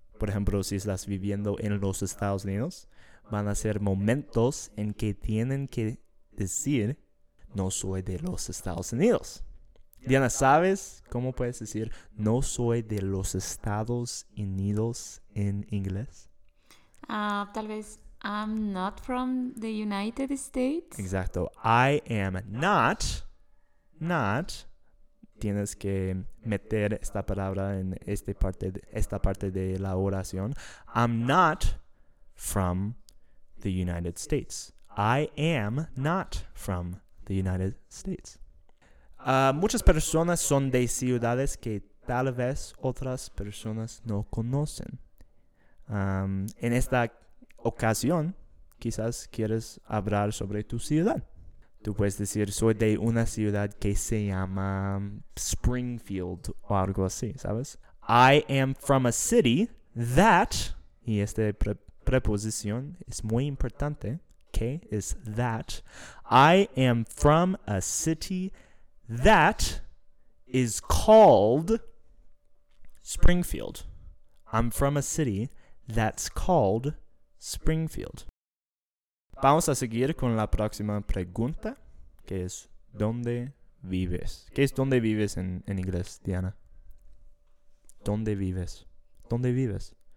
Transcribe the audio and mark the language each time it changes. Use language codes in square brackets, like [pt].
[es] Por ejemplo, si estás viviendo en los Estados Unidos, van a ser momentos en que tienen que decir no soy de los Estados Unidos. Diana, ¿sabes cómo puedes decir no soy de los Estados Unidos en inglés? Tal vez [en] I'm not from the United States. [es] Exacto. [en] I am not. Not. [es] Tienes que meter esta palabra en esta parte de la oración. [en] I'm not from the United States. I am not from the United States. [es] Muchas personas son de ciudades que tal vez otras personas no conocen. En esta ocasión, quizás quieres hablar sobre tu ciudad. Tú puedes decir, soy de una ciudad que se llama Springfield o algo así, ¿sabes? [en] I am from a city that, [es] y esta preposición es muy importante, que es that. [en] I am from a city that is called Springfield. I'm from a city that's called Springfield. [es] Vamos a seguir con la próxima pregunta, que es ¿dónde vives? ¿Qué es dónde vives en inglés, Diana? ¿Dónde vives? ¿Dónde vives?